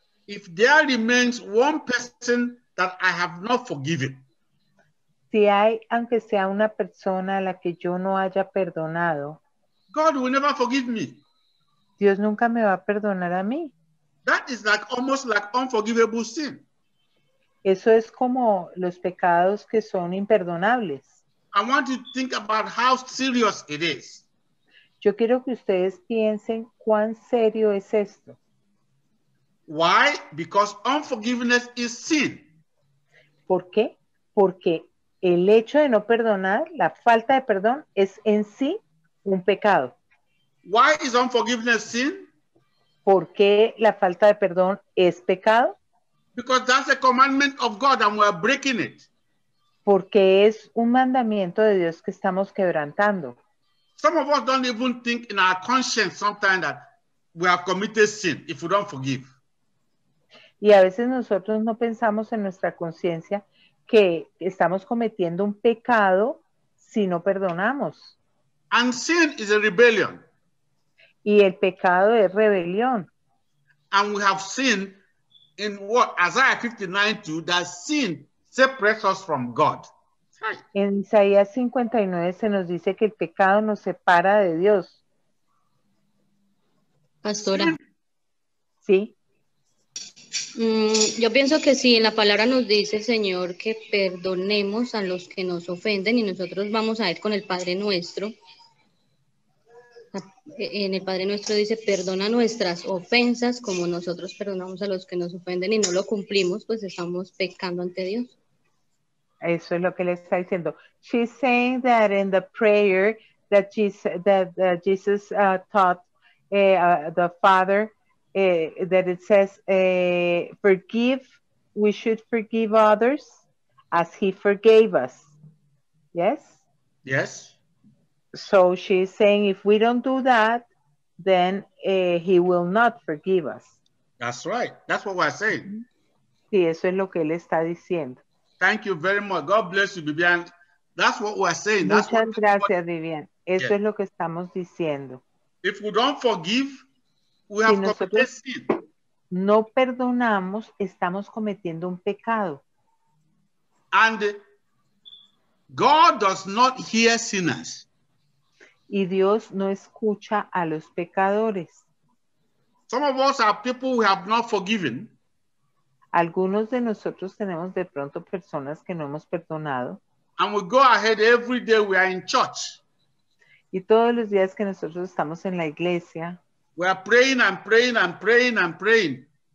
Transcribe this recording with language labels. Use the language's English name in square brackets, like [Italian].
[English] If there remains one person that I have not forgiven. [Spanish] Si hay, aunque sea una persona a la que yo no haya perdonado. [English] God will never forgive me. [Spanish] Dios nunca me va a perdonar a mí. [English] That is like almost like unforgivable sin. [Spanish] Eso es como los pecados que son imperdonables. [English] I want you to think about how serious it is. [Spanish] Yo quiero que ustedes piensen cuán serio es esto. [English] Why? Because unforgiveness is sin. [Spanish] ¿Por qué? Porque el hecho de no perdonar, la falta de perdón, es en sí un pecado. [English] Why is unforgiveness sin? [Spanish] ¿Por qué la falta de perdón es pecado? [English] Because that's a commandment of God and we're breaking it. [Spanish] Porque es un mandamiento de Dios que estamos quebrantando. [English] Some of us don't even think in our conscience sometimes that we have committed sin if we don't forgive. [Spanish] Y a veces nosotros no pensamos en nuestra conciencia que estamos cometiendo un pecado si no perdonamos. [English] And sin is a rebellion. [Spanish] Y el pecado es rebelión. [English] And we have seen in what Isaiah 59:2 that sin separates us from God. [Spanish] En Isaías 59 se nos dice que el pecado nos separa de Dios. Pastora. Sí. Yo pienso que sí, en la palabra nos dice el Señor que perdonemos a los que nos ofenden y nosotros vamos a ir con el Padre Nuestro. En el Padre Nuestro dice, perdona nuestras ofensas como nosotros perdonamos a los que nos ofenden y no lo cumplimos, pues estamos pecando ante Dios. Eso es lo que le está diciendo. [English] She's saying that in the prayer that Jesus taught the Father, forgive, we should forgive others as he forgave us. Yes? Yes. So she's saying if we don't do that, then he will not forgive us. That's right. That's what we're saying. [Spanish] Sí, eso es lo que él está diciendo. [English] Thank you very much. God bless you, Vivian. That's what we're saying. [Spanish] Muchas [English] That's what [Spanish] gracias, [English] we're... [Spanish] Vivian. Eso [English] yeah. [Spanish] es lo que estamos diciendo. [English] If we don't forgive, we have [Spanish] si [English] committed sin. [Spanish] No perdonamos, estamos cometiendo un pecado. [English] And God does not hear sinners. [Spanish] Y Dios no escucha a los pecadores. [English] Some of us are people we have not forgiven. [Spanish] Algunos de nosotros tenemos de pronto personas que no hemos perdonado. [English] And we go ahead every day we are in church. [Spanish] Y todos los días que nosotros estamos en la iglesia. [English] We are praying and praying and praying and praying.